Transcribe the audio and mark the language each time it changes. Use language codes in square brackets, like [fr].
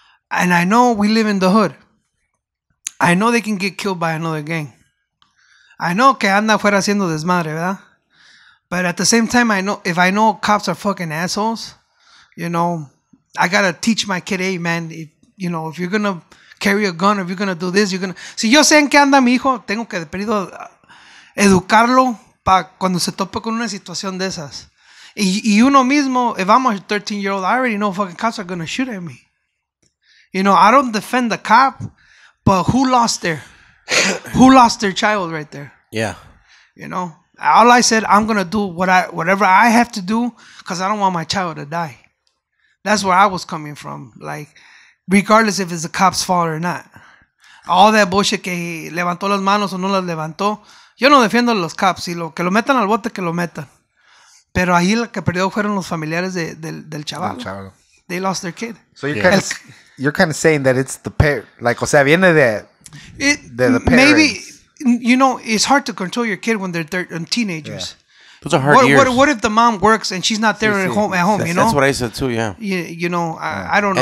[en] And I know we live in the hood. I know they can get killed by another gang. I know [es] que anda fuera haciendo desmadre, ¿verdad? [en] But at the same time, I know cops are fucking assholes, you know, I got to teach my kid, hey, man, if you're going to carry a gun, if you're going to do this, you're going to... [es] Si yo sé en qué anda mi hijo, tengo que de perdido educarlo para cuando se tope con una situación de esas. Y uno mismo, [en] if I'm a 13-year-old, I already know fucking cops are going to shoot at me. You know, I don't defend the cop, but who lost their... who lost their child right there? Yeah. You know? All I said, I'm going to do whatever I have to do because I don't want my child to die. That's where I was coming from. Like... regardless if it's the cop's fault or not. All that bullshit [es] que levantó las manos o no las levantó. Yo no defiendo a los cops. Y lo que lo metan al bote, que lo metan. Pero ahí lo que perdió fueron los familiares del chaval. Del chaval. [en] They lost their kid. So you're kind of saying that it's the parent. Like, [es] o sea, viene de [en] the parents. Maybe, you know, it's hard to control your kid when they're teenagers. Yeah. Those are hard years. What if the mom works and she's not there at home, you know? That's what I said too, yeah. You know, I don't know.